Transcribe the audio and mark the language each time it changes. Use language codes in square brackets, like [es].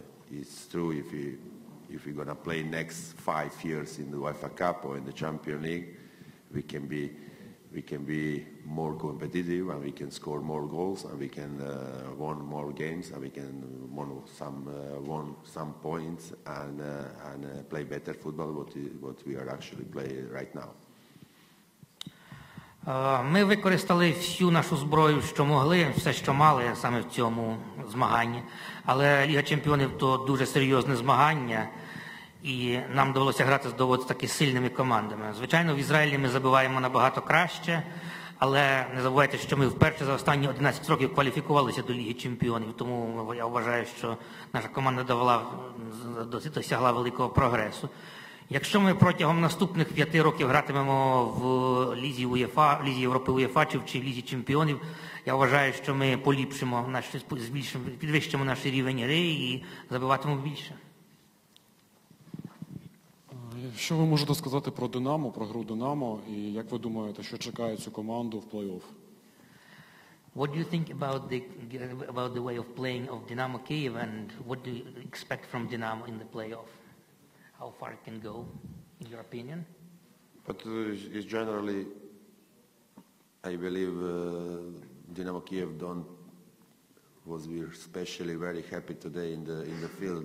[en] It's true if we're gonna play next 5 years in the UEFA Cup or in the Champions League, we can be more competitive and we can score more goals and we can win more games and we can win some points and play better football what we are actually playing right now. [uk] Мы використали всю нашу зброю, що могли, все, що мали саме в цьому змаганні. Але Ліга Чемпіонів – то дуже серйозне змагання, і нам довелося грати з доволі таки сильними командами. Звичайно, в Ізраїлі ми забиваємо набагато краще, але не забувайте, що ми вперше за останні 11 років кваліфікувалися до Ліги Чемпіонів, тому я вважаю, що наша команда досягла великого прогресу. Якщо ми протягом наступних 5 років гратимемо в Лізі УЄФА, в Лізі Європи УЄФА чи в Лізі Чемпіонів, я вважаю, що ми поліпшимо підвищимо наш рівень гри і забиватимо більше. Що ви можете сказати про Динамо, про гру Динамо, і як ви думаєте, що чекає цю команду в плей-оф? [en] What do you think about the way of playing of Динамо Київ and what do you expect from Динамо in the play-off? How far it can go, in your opinion? But it's generally, I believe Dynamo Kyiv were especially very happy today in the field.